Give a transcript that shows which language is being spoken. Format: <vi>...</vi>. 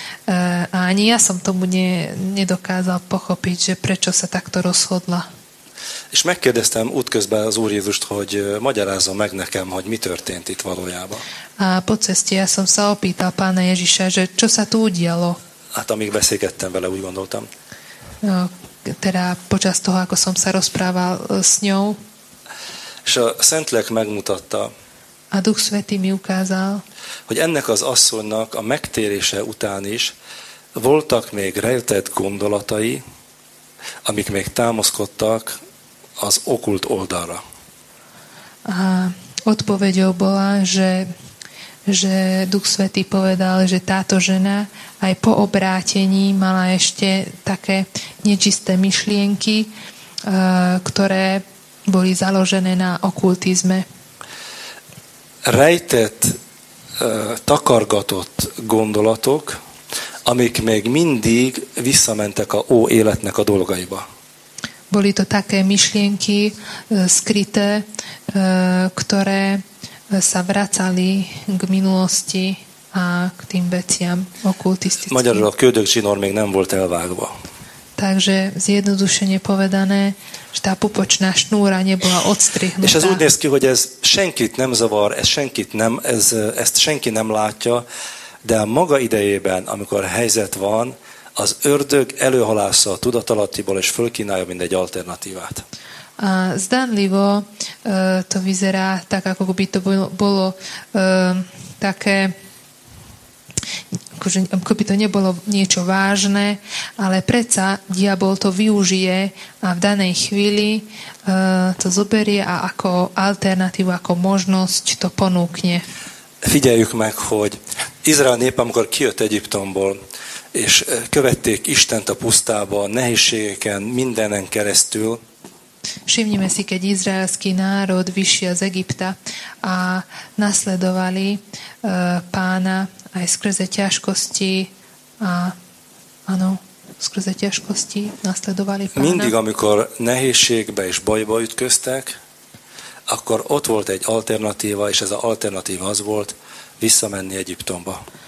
<sk>A ani ja som tomu nedokázal pochopiť, že prečo sa takto rozhodla.</sk> <hu>És megkérdeztem útközben az Úr Jézust, hogy magyarázzon meg nekem, hogy mi történt itt valójában.</hu> <sk>A po ceste ja som sa opýtal Pána Ježiša, že čo sa tu udialo.</sk> <hu>Hát amíg beszélgettem vele, úgy gondoltam.</hu> <sk>No, teda počas toho, ako som sa rozprával s ňou.</sk> <hu>És a Szentlélek megmutatta,</hu> <sk>a Duch Svätý mi ukázal,</sk> <hu>hogy ennek az asszonynak a megtérése után is voltak még rejtett gondolatai, amik még támaszkodtak az okult oldalra.</hu> <sk>A odpoveďou bola, že Duch Svätý povedal, že táto žena aj po obrátení mala ešte také nečisté myšlienky, ktoré boli založené na okultizme.</sk> <hu>Rejtett, takargatott gondolatok, amik még mindig visszamentek a ó életnek a dolgaiba.</hu> <sk>Boli to také myšlienky skryté, ktoré sa vracali k minulosti a k tým veciam okultistickým.</sk> <hu>Magyarul a köldök zsinór még nem volt elvágva.</hu> <sk>Takže zjednodušene povedané, že tá pupočná šnúra nebola odstrihnutá.</sk> <hu>És ez úgy néz ki, hogy ez senkit nem zavar, ezt senki nem látja, de a maga idejében, amikor helyzet van, az ördög előhalásza a tudatalattiból, és fölkínálja mindegy alternatívát.</hu> <sk>A zdánlivo to vyzerá tak, ako by to bolo také ako by to nebolo niečo vážne, ale predsa diabol to využije a v danej chvíli to zoberie a ako alternatívu, ako možnosť to ponúkne.</sk> <hu>Figyeljük meg, hogy Izrael nép, amikor kijött Egyiptomból, és követték Istent a pusztába, nehézségeken, mindenen keresztül.</hu> <sk>Všimnime si, keď izraelský národ vyšiel z Egypta a nasledovali pána aj skrze ťažkosti a áno, skrze ťažkosti nasledovali pána.</sk> <hu>Mindig, amikor nehézségbe és bajba ütköztek, akkor ott volt egy alternatíva, és ez az alternatíva az volt, visszamenni Egyiptomba.</hu>